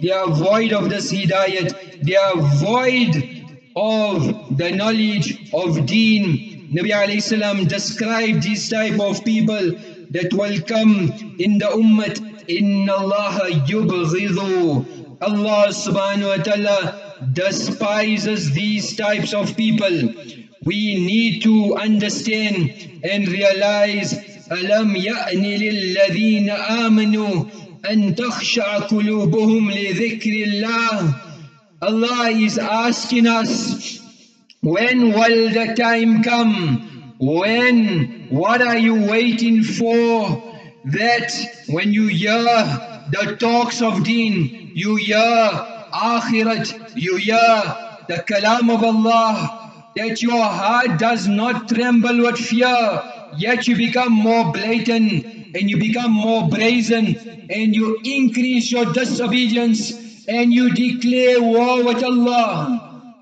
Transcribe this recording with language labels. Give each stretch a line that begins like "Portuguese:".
English: They are void of this hidayat. They are void of the knowledge of deen. Nabi alayhi salam described this type of people that will come in the ummat.
Arabic: Inna Allah yubghidhu.
English: Allah subhanahu wa ta'ala despises these types of people. We need to understand and realize,
Arabic: أَلَمْ يَأْنِ لِلَّذِينَ آمَنُوا أَن تَخْشَعَ قُلُوبُهُمْ لِذِكْرِ اللَّهِ.
English: Allah is asking us, when will the time come? When? What are you waiting for? That when you hear the talks of deen, you hear akhirat, you hear the kalam of Allah, that your heart does not tremble with fear, yet you become more blatant and you become more brazen and you increase your disobedience and you declare war with Allah.